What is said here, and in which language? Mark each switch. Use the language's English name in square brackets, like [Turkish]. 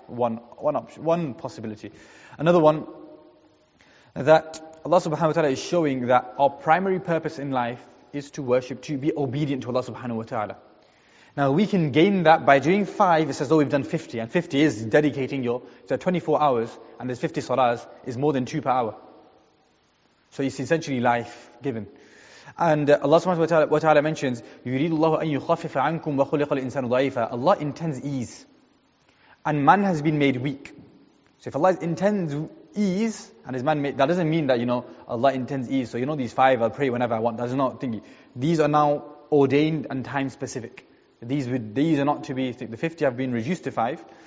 [English] One option, one possibility. Another one, that Allah subhanahu wa ta'ala is showing that our primary purpose in life is to worship, to be obedient to Allah subhanahu wa ta'ala. Now we can gain that by doing 5, it's as though we've done 50, and 50 is dedicating your, so 24 hours, and there's 50 salahs, is more than 2 per hour. So it's essentially life given. And Allah subhanahu wa ta'ala mentions, [Arabic] يُرِيدُ اللَّهُ أَن يُخَفِّفَ عَنْكُمْ وَخُلِقَ الْإِنسَانُ ضَعِيفًا. [English] Allah intends ease, and man has been made weak. So if Allah intends ease, and his man made, that doesn't mean that, you know, Allah intends ease, so you know these 5, I'll pray whenever I want, that's not thingy. These are now ordained and time specific. These are not to be, the 50 have been reduced to 5.